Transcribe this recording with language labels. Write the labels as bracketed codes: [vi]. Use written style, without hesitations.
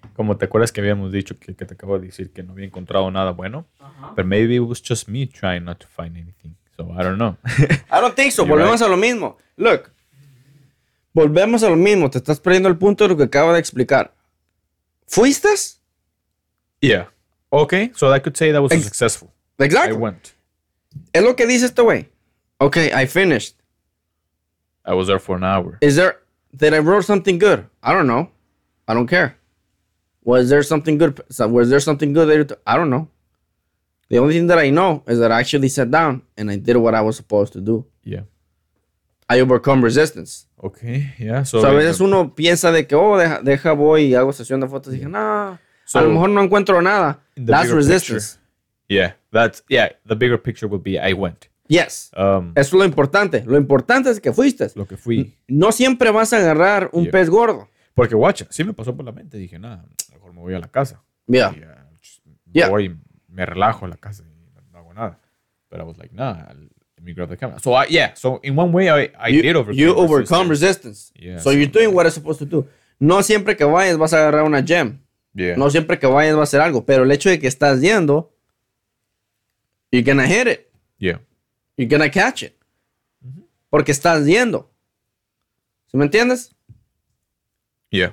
[es] Como te acuerdas que habíamos dicho que te acabo de decir que no había encontrado nada bueno. [en] But maybe it was just me trying not to find anything. So I don't know. I don't think so. [es] Volvemos right. A lo mismo. Look. Volvemos a lo mismo. Te estás perdiendo el punto de lo que acabo de explicar. ¿Fuiste? [en] Yeah. Okay, so I could say that was successful. Exactly. I went. [es] Es lo que dice este güey. [en] Okay, I finished. I was there for an hour. Did I wrote something good? I don't know. I don't care. Was there something good? I don't know. The only thing that I know is that I actually sat down and I did what I was supposed to do. Yeah. I overcome resistance. Okay, yeah. So [es] a veces uno piensa de que, deja voy y hago sesión de fotos. Dije, no, so a lo mejor no encuentro nada. [en] That's resistance. Picture, yeah, the bigger picture would be I went. [es] Yes. Eso es lo importante. Lo importante es que fuiste. Lo que fui. No siempre vas a agarrar un pez gordo. Porque, watch, sí me pasó por la mente. Dije, nada, mejor me voy a la casa. [en] Yeah. [es] Voy, me relajo en la casa y no hago nada. [en] Pero I was like, nah, let me grab the camera. So in one way, I did overcome resistance. You overcome resistance. Yeah, so you're doing what it's supposed to do. [es] No siempre que vayas vas a agarrar una gem. [en] Yeah. [es] No siempre que vayas va a hacer algo. Pero el hecho de que estás yendo, [en] you're gonna hit it. Yeah. You're gonna catch it. [es] Mm-hmm. Porque estás yendo. ¿Sí me entiendes? [en] Yeah.